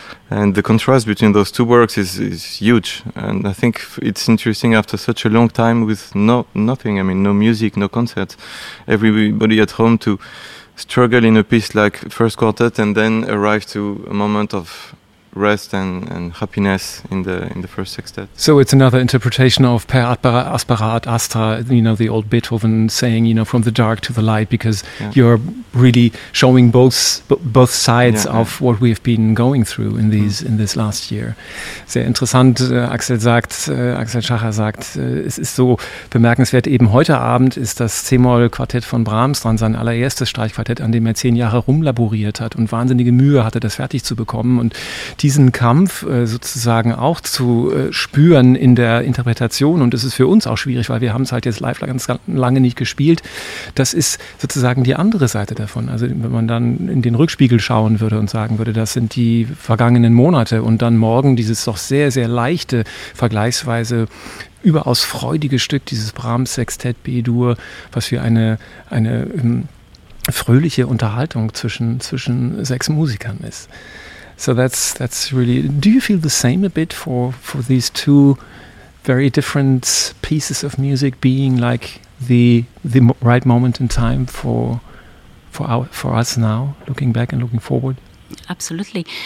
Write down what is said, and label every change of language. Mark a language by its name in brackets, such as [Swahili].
[English] And the contrast between those two works is huge. And I think it's interesting after such a long time with nothing, I mean, no music, no concerts, everybody at home to struggle in a piece like First Quartet and then arrive to a moment of rest and happiness in the first sextet. So it's another interpretation of Per Aspera ad Astra, you know, the old Beethoven saying, you know, from the dark to the light, because you're really showing both sides of what we've been going through in these in this last year. [German] Sehr interessant, Axel Schacher sagt, es ist so bemerkenswert, eben heute Abend ist das C-Moll-Quartett von Brahms dran, sein allererstes Streichquartett, an dem er 10 Jahre rumlaboriert hat und wahnsinnige Mühe hatte, das fertig zu bekommen, und diesen Kampf sozusagen auch zu spüren in der Interpretation, und das ist für uns auch schwierig, weil wir haben es halt jetzt live ganz lange nicht gespielt, das ist sozusagen die andere Seite davon. Also wenn man dann in den Rückspiegel schauen würde und sagen würde, das sind die vergangenen Monate und dann morgen dieses doch sehr, sehr leichte, vergleichsweise überaus freudige Stück, dieses Brahms Sextett B-Dur, was für eine fröhliche Unterhaltung zwischen 6 Musikern ist. [English] So that's really, do you feel the same a bit for these two very different pieces of music being like the right moment in time for us now, looking back and looking forward? Absolutely.